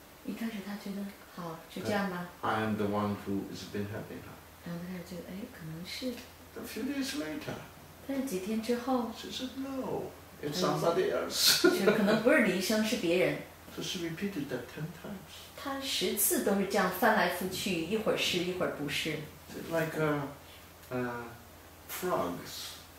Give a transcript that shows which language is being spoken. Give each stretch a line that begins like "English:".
Chinese: 一开始他觉得好，就这样吧。
English: I am the one who has been helping her.
Chinese: 然后他就觉得，哎，可能是。
English: A few days later.
Chinese: 但是几天之后。
English: She said no, it's somebody else.
Chinese: 就可能不是李医生，是别人。
English: So she repeated that 10 times.
Chinese: 他10次都是这样翻来覆去，一会儿是，一会儿不是。
English: Like frogs.